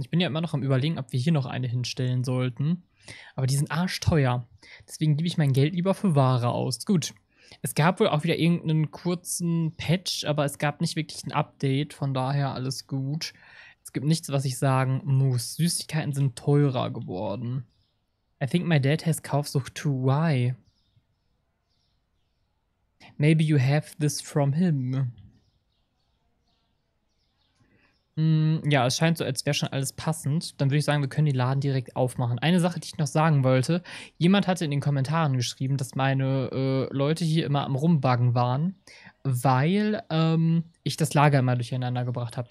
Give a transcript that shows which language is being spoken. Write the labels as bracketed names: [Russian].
[German] Ich bin ja immer noch am Überlegen, ob wir hier noch eine hinstellen sollten. Aber die sind arschteuer. Deswegen gebe ich mein Geld lieber für Ware aus. Gut. Es gab wohl auch wieder irgendeinen kurzen Patch, aber es gab nicht wirklich ein Update. Von daher alles gut. Es gibt nichts, was ich sagen muss. Süßigkeiten sind teurer geworden. [English] I think my dad has Kaufsucht too. Why? Maybe you have this from him. [German] Ja, es scheint so, als wäre schon alles passend. Dann würde ich sagen, wir können den Laden direkt aufmachen. Eine Sache, die ich noch sagen wollte: Jemand hatte in den Kommentaren geschrieben, dass meine Leute hier immer am Rumbuggen waren, weil ich das Lager immer durcheinander gebracht habe.